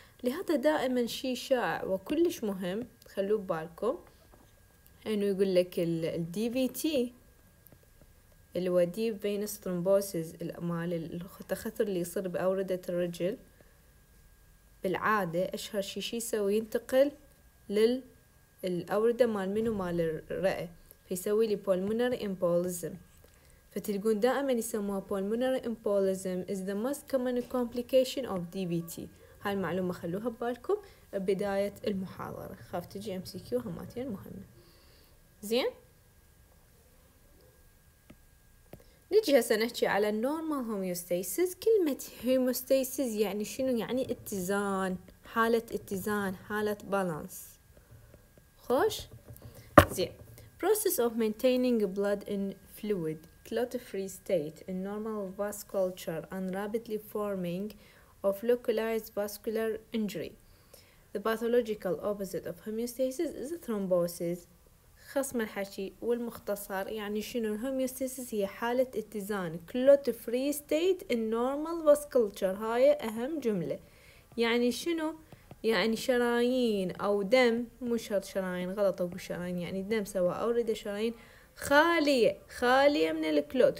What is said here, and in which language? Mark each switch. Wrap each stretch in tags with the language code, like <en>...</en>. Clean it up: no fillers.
<ar>لهذا دائما شيء شائع وكلش مهم خلوا ببالكم، أنه يقول لك الدي في تي اللي هو ديب فينس ترومبوسيز، الأمال التخثر اللي يصير بأوردة الرجل، بالعادة أشهر شيء يسوي ينتقل للأوردة مال منو؟ مال الرئة، فيسوي لي pulmonary embolism. فتلقون دائما يسموها</ar> <en>pulmonary embolism is the most common complication of DVT.</en> <ar>هاي المعلومة خلوها ببالكم بداية المحاضرة، خاف تجي MCQ هماتين مهمة. زين، نجي هسا نحكي على normal homeostasis. كلمة homeostasis يعني شنو؟ يعني اتزان، حالة اتزان، حالة balance. خوش، زين.</ar> <en>Process of maintaining blood in fluid clot-free state in normal vasculature and rapidly forming of localized vascular injury. The pathological opposite of homeostasis is thrombosis.</en> <ar>خصم الحكي والمختصر يعني شنو؟ الهوميوستاسيس هي حالة اتزان</ar> <en>clot-free state in normal vasculature.</en> <ar>هاي أهم جملة. يعني شنو؟ يعني شرايين او دم، مو شرط شرايين، غلط اقول شرايين، يعني دم سواء اوردة شرايين خالية من الكلوت.</ar>